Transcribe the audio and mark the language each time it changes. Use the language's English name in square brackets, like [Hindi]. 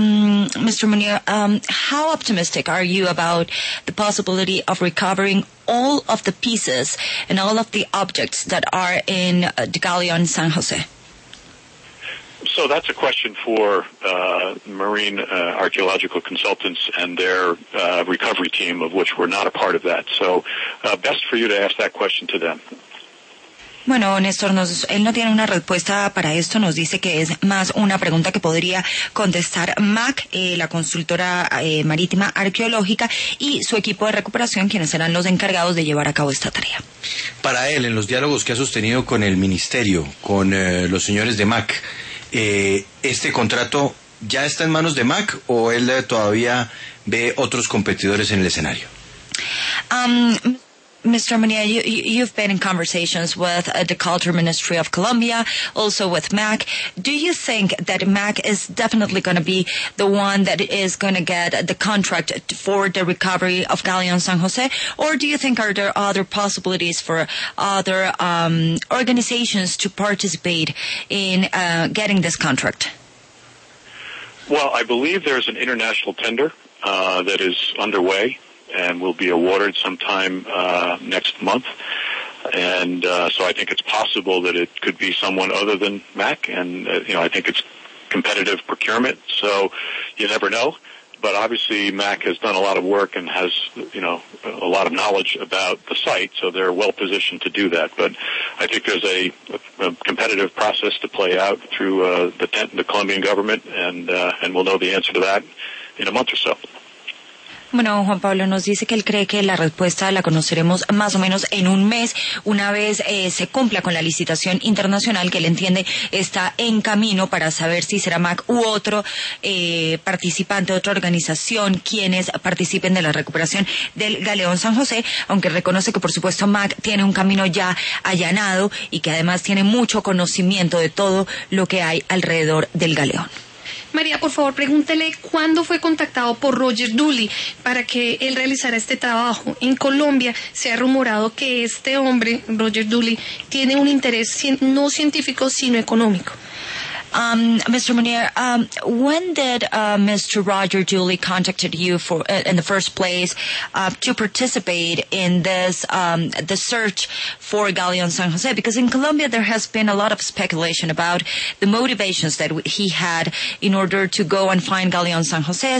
[English] Mr. Munir, how optimistic are you about the possibility of recovering all of the pieces and all of the objects that are in the Galleon San Jose? So that's a question for marine archaeological consultants and their recovery team, of which we're not a part of that. So best for you to ask that question to them. [Spanish] Bueno, Néstor, él no tiene una respuesta para esto, nos dice que es más una pregunta que podría contestar MAC, la consultora marítima arqueológica, y su equipo de recuperación, quienes serán los encargados de llevar a cabo esta tarea. Para él, en los diálogos que ha sostenido con el ministerio, con los señores de MAC, ¿este contrato ya está en manos de MAC o él todavía ve otros competidores en el escenario? [English] Mr. Munir, you've been in conversations with the Culture Ministry of Colombia, also with MAC. Do you think that MAC is definitely going to be the one that is going to get the contract for the recovery of Galleon San Jose? Or do you think are there other possibilities for other organizations to participate in getting this contract? Well, I believe there's an international tender that is underway and will be awarded sometime next month. And so I think it's possible that it could be someone other than MAC. And, you know, I think it's competitive procurement, so you never know. But obviously MAC has done a lot of work and has, you know, a lot of knowledge about the site, so they're well positioned to do that. But I think there's a competitive process to play out through the Colombian government, and we'll know the answer to that in a month or so. [Spanish] Bueno, Juan Pablo nos dice que él cree que la respuesta la conoceremos más o menos en un mes, una vez se cumpla con la licitación internacional, que él entiende está en camino para saber si será MAC u otro participante, otra organización, quienes participen de la recuperación del Galeón San José, aunque reconoce que, por supuesto, MAC tiene un camino ya allanado y que además tiene mucho conocimiento de todo lo que hay alrededor del Galeón. María, por favor, pregúntele cuándo fue contactado por Roger Dooley para que él realizara este trabajo. En Colombia se ha rumorado que este hombre, Roger Dooley, tiene un interés no científico, sino económico. [English] Mr. Munir, when did Mr. Roger Dooley contacted you for in the first place to participate in this the search for Galleon San Jose? Because in Colombia there has been a lot of speculation about the motivations that he had in order to go and find Galleon San Jose.